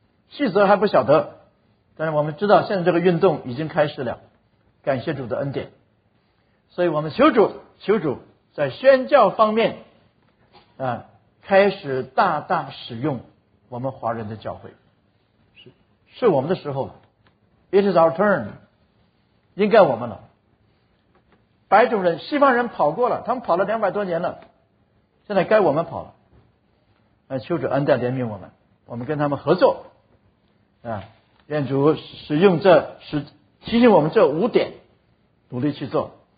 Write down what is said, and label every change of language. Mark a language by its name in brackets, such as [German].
[Chinese] 细则还不晓得，但是我们知道现在这个运动已经开始了，感谢主的恩典。所以我们求主在宣教方面开始大大使用我们华人的教会，是我们的时候了。 [English] It is our turn， [Chinese] 应该我们了。白种人、西方人跑过了，他们跑了200多年了，现在该我们跑了。求主恩待怜悯我们，我们跟他们合作愿主使用这提醒我们这5点，努力去做。